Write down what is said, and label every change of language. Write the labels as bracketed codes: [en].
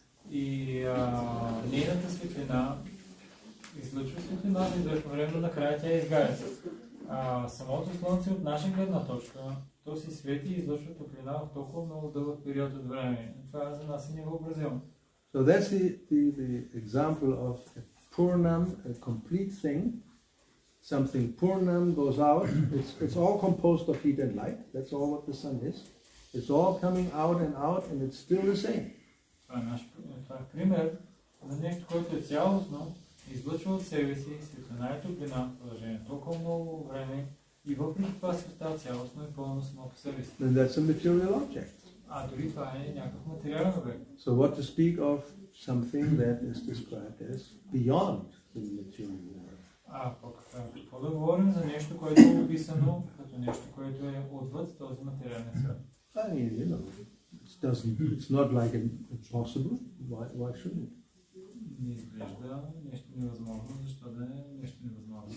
[bg] И нейната светлина излъчва светлина, и дълго време до накрая тя изгаря. Самото слънце от наша гледна точка, то си свети и излъчва топлина в толкова много дълъг период от време. Това за нас е невъобразимо. [en] So that's the example of a Purnam, a complete thing. Something Purnam goes out, it's all composed of heat and light. That's all what the sun is. It's all coming out and out and it's still the same. [bg] Това е наш пример за нещо, което е цялостно, излъчва от себе си светлина и топлина, продължение толкова много време и въпреки това света цялостно и пълно само по себе си. [en] And that's a material object. [bg] А дори това е някакъв материален обект. [en] So what to speak of something that is described as beyond the material world? [bg] А пък какво да говорим за нещо, което е описано като нещо, което е отвъд този материален свят? [en] I mean, you know, it's not like impossible. Why shouldn't it? [bg] Не изглежда нещо невъзможно, защо да е нещо невъзможно.